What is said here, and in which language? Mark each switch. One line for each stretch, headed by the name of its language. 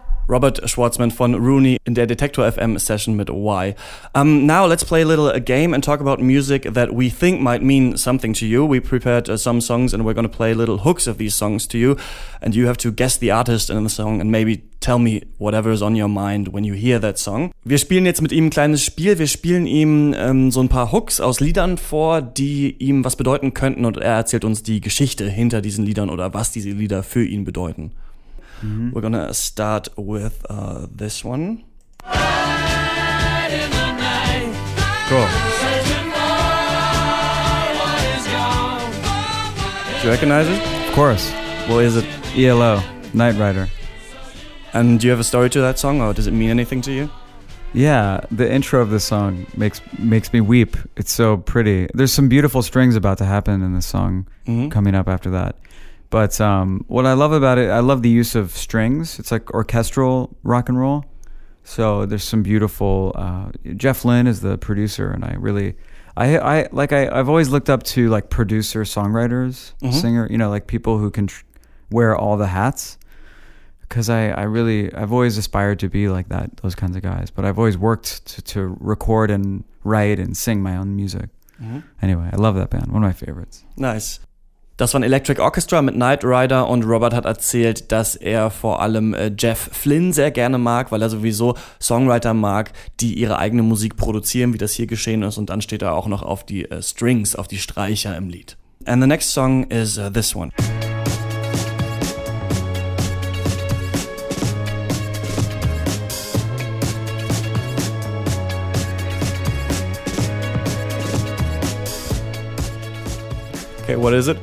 German: Robert Schwartzman von Rooney in der Detektor FM Session mit Y.
English: Now let's play a little game and talk about music that we think might mean something to you. We prepared some songs and we're going to play little hooks of these songs to you. And you have to guess the artist in the song and maybe tell me whatever is on your mind when you hear that song.
German: Wir spielen jetzt mit ihm ein kleines Spiel. Wir spielen ihm so ein paar Hooks aus Liedern vor, die ihm was bedeuten könnten. Und er erzählt uns die Geschichte hinter diesen Liedern oder was diese Lieder für ihn bedeuten. Mm-hmm.
English: We're gonna start with this one. Hide in the night. Cool. So tomorrow is gone. Do you recognize it? Of course. What is it? ELO, Knight Rider. And do you have a story to that song, or does it mean anything to you? Yeah, the intro of the song makes me weep. It's so pretty. There's some beautiful strings about to happen in the song mm-hmm. coming up after that. But what I love about it, I love the use of strings. It's like orchestral rock and roll. So there's some beautiful, Jeff Lynne is the producer, and I've always looked up to like producer songwriters, mm-hmm. singer, you know, like people who can wear all the hats. Because I've always aspired to be like that, those kinds of guys. But I've always worked to record and write and sing my own music. Mm-hmm. Anyway, I love that band, one of my favorites. Nice.
German: Das war ein Electric Orchestra mit Knight Rider und Robert hat erzählt, dass er vor allem Jeff Flynn sehr gerne mag, weil er sowieso Songwriter mag, die ihre eigene Musik produzieren, wie das hier geschehen ist. Und dann steht er auch noch auf die Strings, auf die Streicher im Lied.
English: And the next song is this one. Okay, what is it?